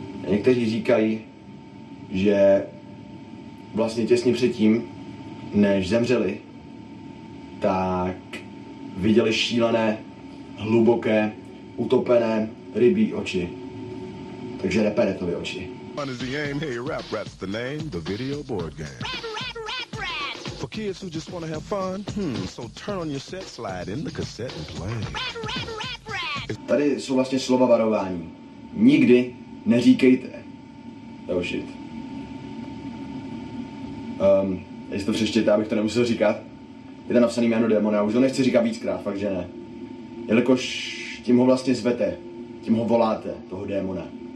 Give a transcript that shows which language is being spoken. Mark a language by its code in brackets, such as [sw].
[cs] Někteří říkají, že vlastně těsně předtím, než zemřeli, tak viděli šílené, hluboké, utopené rybí oči. Takže Reperetovy oči. [en] Fun is the game, hey rap rat's the name, the video board game. Rap. For kids who just wanna have fun, so turn on your set, slide in the cassette and play. Rap. [cs] Tady jsou vlastně slova varování. Nikdy neříkejte. [en] Oh shit. [cs] Jestli to přeštěte, abych to nemusel říkat. Je tam napsaný jméno démona, už to nechci říkat víckrát, fakt že ne. Jelikož tím ho vlastně zvete, tím ho voláte, toho démona.